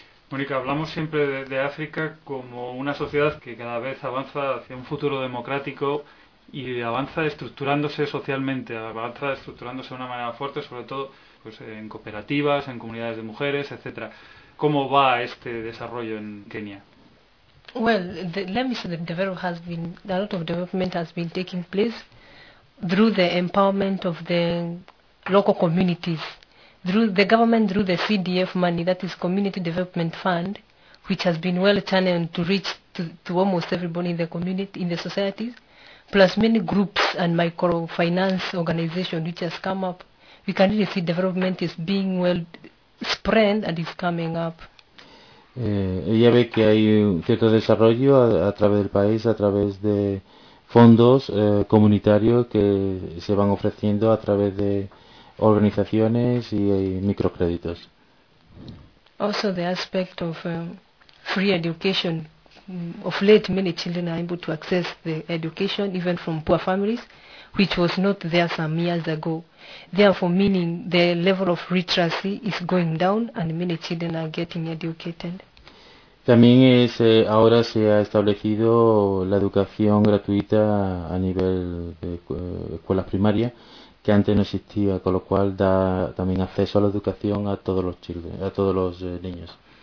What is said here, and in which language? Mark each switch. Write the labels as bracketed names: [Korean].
[Spanish] Mónica, hablamos siempre de África como una sociedad que cada vez avanza hacia un futuro democrático y avanza estructurándose socialmente, avanza estructurándose de una manera fuerte, sobre todo pues, en cooperativas, en comunidades de mujeres, etcétera. ¿Cómo va este desarrollo en Kenia? [English] Well, let me say the development has been a lot of development has been taking place through the empowerment of the local communities. Through the government, through the CDF money, that is Community Development Fund, which has been well channeled to reach to almost everybody in the community, in the societies, plus many groups and microfinance organizations which has come up, we can really see development is being well spread and is coming up. [Spanish] Ella ve que hay un cierto desarrollo a través del país, a través de fondos comunitarios que se van ofreciendo a través de organizaciones y microcréditos. [English] Also, the aspect of free education. Of late, many children are able to access the education even from poor families, which was not there some years ago. Therefore, meaning the level of literacy is going down and many children are getting educated. [Spanish] También ahora se ha establecido la educación gratuita a nivel de escuelas primarias, que antes no existía, con lo cual da también acceso a la educación a todos los [English] children, [Spanish] a todos los niños.